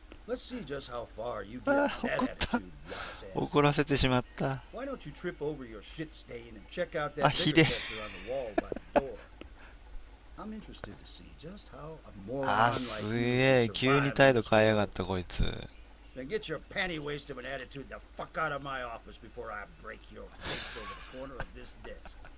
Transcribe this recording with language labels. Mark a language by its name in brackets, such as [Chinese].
[English] Let's see just how far you get that attitude. [Japanese] 怒らせてしまった。 [English] Why don't you trip over your shit stain and check out that picture on the wall by the door? I'm interested to see just how a moron like you. [Japanese] すげえ、急に態度変えやがったこいつ。 [English] Then get your panty waist of an attitude the fuck out of my office before I break your face over the corner of this desk.